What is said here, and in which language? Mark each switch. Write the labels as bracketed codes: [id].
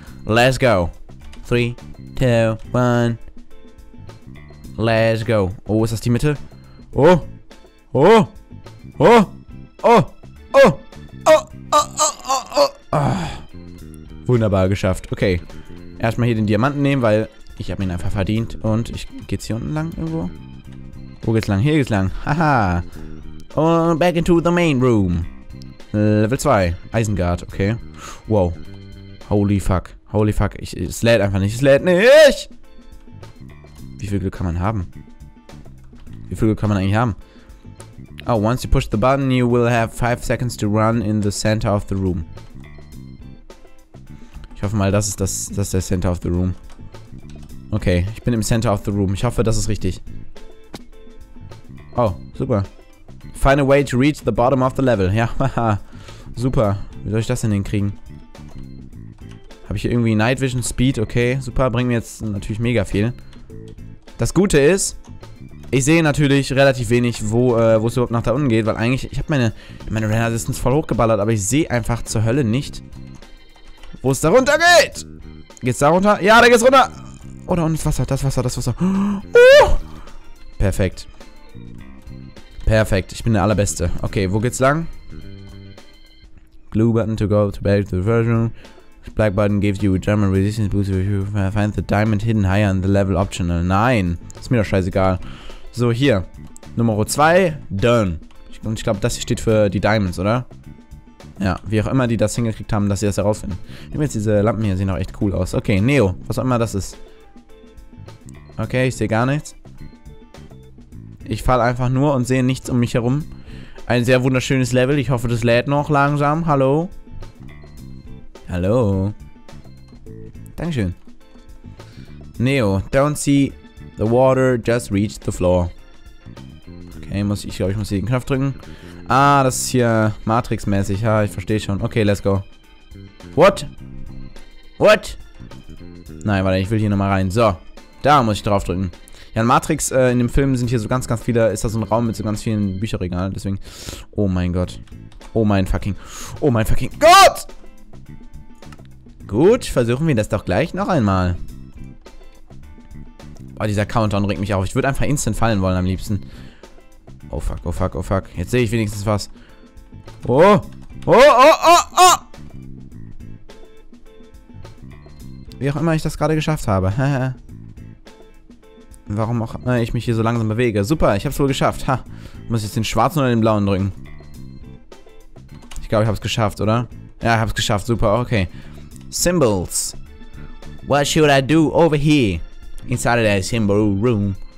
[en] Let's go. 3, 2, 1. Let's go. [de] Oh, ist das die Mitte? Oh. Oh. Oh. Oh. Oh. Oh. Oh. Oh. Wunderbar geschafft. Okay. Erstmal hier den Diamanten nehmen, weil ich habe ihn einfach verdient. Und ich geht's hier unten lang irgendwo? Wo geht's lang? Hier geht's lang. Haha. [en] Und back into the main room. Level 2. Eisengard. Okay. Wow. Holy fuck. Holy fuck. [de] Es lädt einfach nicht. Es lädt nicht. Wie viel Glück kann man haben? Wie viel Glück kann man eigentlich haben? [en] Oh, once you push the button, you will have 5 seconds to run in the center of the room. [de] Ich hoffe mal, das ist der [en] center of the room. [de] Okay, ich bin im center of the room. Ich hoffe, das ist richtig. Oh, super. [en] Find a way to reach the bottom of the level. [de] Ja, haha. Super. Wie soll ich das denn hinkriegen? Habe ich hier irgendwie Night Vision Speed? Okay, super. Bringt mir jetzt natürlich mega viel. Das Gute ist, ich sehe natürlich relativ wenig, wo es überhaupt nach da unten geht, weil eigentlich, ich habe meine Render Distance voll hochgeballert, aber ich sehe einfach zur Hölle nicht, wo es da runter geht. Geht's da runter? Ja, da geht's runter. Oh, da unten ist Wasser, das Wasser, das Wasser. Perfekt. Perfekt, ich bin der Allerbeste. Okay, wo geht's lang? [en] Blue button to go to back to the first room. Black button gives you a German resistance boost if you find the diamond hidden higher in the level optional. [de] Nein, ist mir doch scheißegal. So, hier. Nummer 2, done. Und ich glaube, das hier steht für die Diamonds, oder? Ja, wie auch immer die das hingekriegt haben, dass sie das herausfinden. Nehmen wir jetzt diese Lampen hier, sehen auch echt cool aus. Okay, Neo, was auch immer das ist. Okay, ich sehe gar nichts. Ich falle einfach nur und sehe nichts um mich herum. Ein sehr wunderschönes Level. Ich hoffe, das lädt noch langsam. Hallo? Hallo. Dankeschön. [en] Neo, don't see the water, just reach the floor. [de] Okay, ich glaube, ich muss hier den Knopf drücken. Ah, das ist hier Matrix-mäßig. Ja, ich verstehe schon. [en] Okay, let's go. What? What? [de] Nein, warte, ich will hier nochmal rein. So, da muss ich drauf drücken. Ja, in Matrix, in dem Film sind hier so ganz, ganz viele, ist da so ein Raum mit so ganz vielen Bücherregalen. Deswegen, oh mein Gott. Oh mein fucking Gott! Gut, versuchen wir das doch gleich noch einmal. Boah, dieser Countdown regt mich auf. Ich würde einfach instant fallen wollen am liebsten. [en] Oh fuck, oh fuck, oh fuck. [de] Jetzt sehe ich wenigstens was. Oh, oh, oh, oh, oh. Wie auch immer ich das gerade geschafft habe. Warum auch immer ich mich hier so langsam bewege. Super, ich habe es wohl geschafft. Ha, muss jetzt den schwarzen oder den blauen drücken. Ich glaube, ich habe es geschafft, oder? Ja, ich habe es geschafft. [en] Super, okay. Symbols. What should I do over here? Inside that symbol room.